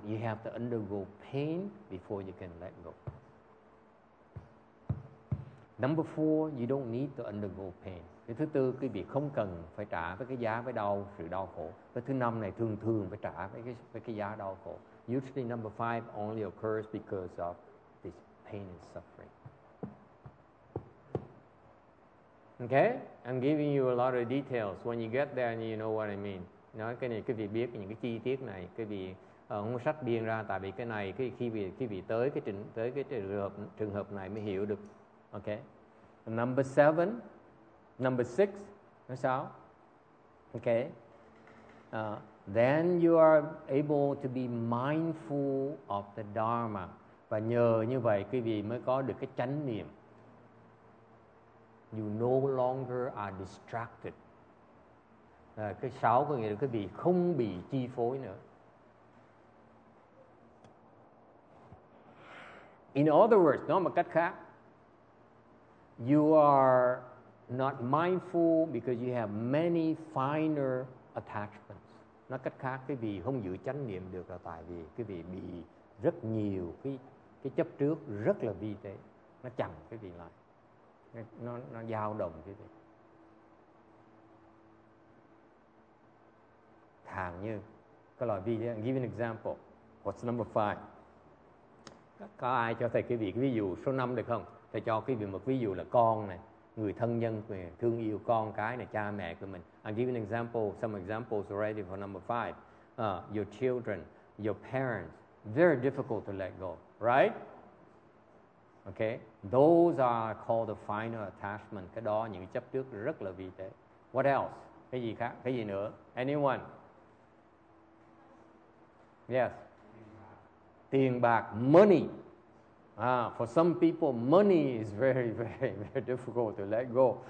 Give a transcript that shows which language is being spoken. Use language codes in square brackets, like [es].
[en] You have to undergo pain before you can let go. Number four, you don't need to undergo pain. [vi] Cái thứ tư, quý vị không cần phải trả với cái giá với đau, sự đau khổ. Cái thứ năm này thường thường phải trả với cái giá đau khổ. [en] Usually number five only occurs because of this pain and suffering. Okay, I'm giving you a lot of details. When you get there, you know what I mean. [vi] Nói cái này, quý vị biết những cái chi tiết này, quý vị không có sách biên ra, tại vì cái này, khi vị tới cái trường hợp này mới hiểu được. [en] Okay. Number seven, number six, [vi] nói sao? [en] Okay. Then you are able to be mindful of the Dharma. [vi] Và nhờ như vậy, quý vị mới có được cái chánh niệm. [en] You no longer are distracted. [vi] Cái sáu có nghĩa là quý vị không bị chi phối nữa. [en] In other words, [vi] nói một cách khác, [en] you are not mindful because you have many finer attachments. [vi] Nói cách khác, quý vị không giữ chánh niệm được là tại vì quý vị bị rất nhiều cái chấp trước rất là vi tế. Nó chặn quý vị lại. Nó dao động quý vị. Thàng như cái loại vi tế. [en] Give an example. What's number five? [vi] Có ai cho thầy quý vị cái ví dụ số năm được không? Thầy cho quý vị một ví dụ là con này, người thân nhân này, thương yêu con cái này, cha mẹ của mình. [en] I'll give an example, some examples already for number five. Your children, your parents, very difficult to let go, right? Okay, those are called the final attachment. [vi] Cái đó những chấp trước rất là vi tế. [en] What else? [vi] Cái gì khác? Cái gì nữa? [en] Anyone? Yes. [vi] Tiền bạc, [en] money. For some people, money is very, very, very difficult to let go.